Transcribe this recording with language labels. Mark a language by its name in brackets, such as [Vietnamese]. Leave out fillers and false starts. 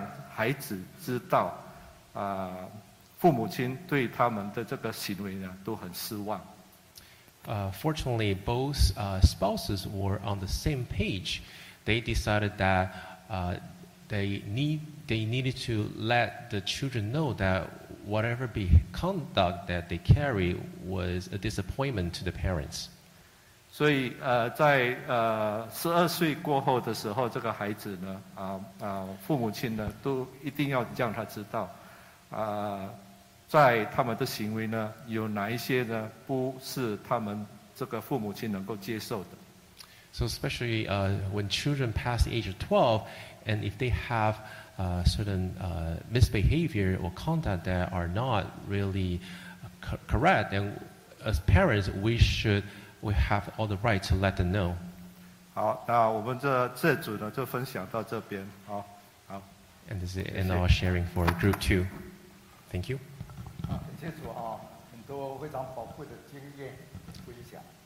[Chinese] 其实，在这个他们长大的时候呢，父母亲都有一个同样的就是一个做法呢，就是要让孩子知道。父母亲对他们的这个行为呢，都很失望。 [English] Fortunately, both spouses were on the same page. they decided that they needed to let the children know that whatever conduct that they carry was a disappointment to the parents. [Chinese] 所以, 在, 12岁过后的时候, 这个孩子呢, 父母亲呢, 都一定要让他知道, 在他们的行为呢, 有哪一些呢, 不是他们这个父母亲能够接受的。 [English] So especially when children pass the age of 12, and if they have certain misbehavior or conduct that are not really correct, then as parents, we have all the right to let them know. [Chinese] 好, 那我们这组呢, 就分享到这边, 好, 好。 [English] And this is in our sharing for group two. Thank you. [Chinese] 感谢主啊, 很多非常宝贵的经验分享。